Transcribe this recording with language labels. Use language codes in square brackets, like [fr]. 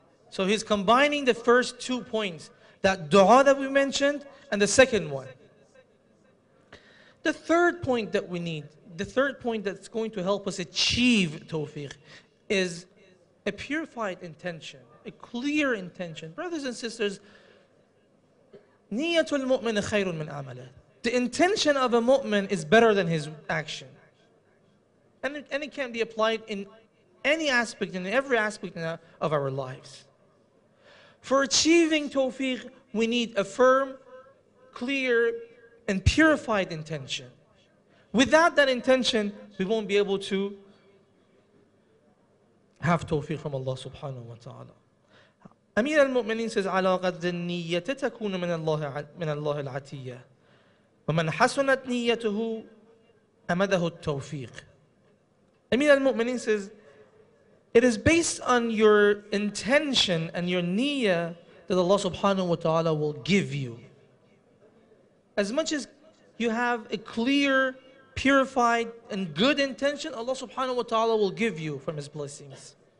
[en] So he's combining the first two points, that dua that we mentioned, and the second one. The third point that we need, the third point that's going to help us achieve tawfiq, is a purified intention, a clear intention. Brothers and sisters, [ar] نِيَّةُ الْمُؤْمِنِ خَيْرٌ مِنْ عَمَلَهُ. [en] The intention of a mu'min is better than his action. And it can be applied in any aspect, in every aspect of our lives. For achieving tawfiq, we need a firm, clear, and purified intention. Without that intention, we won't be able to have tawfiq from Allah subhanahu wa ta'ala. Amir al-Mu'mineen says, [ar] عَلَىٰ قَدْرِ النِّيَّةِ تَكُونُ مِنَ اللَّهِ الْعَتِيَّةِ وَمَنْ حَسُنَتْ نِيَّتُهُ أَمَدَهُ التَّوْفِيقِ. [en] Amir al-Mu'mineen says, it is based on your intention and your niyyah that Allah subhanahu wa ta'ala will give you. As much as you have a clear, purified, and good intention, Allah subhanahu wa ta'ala will give you from His blessings.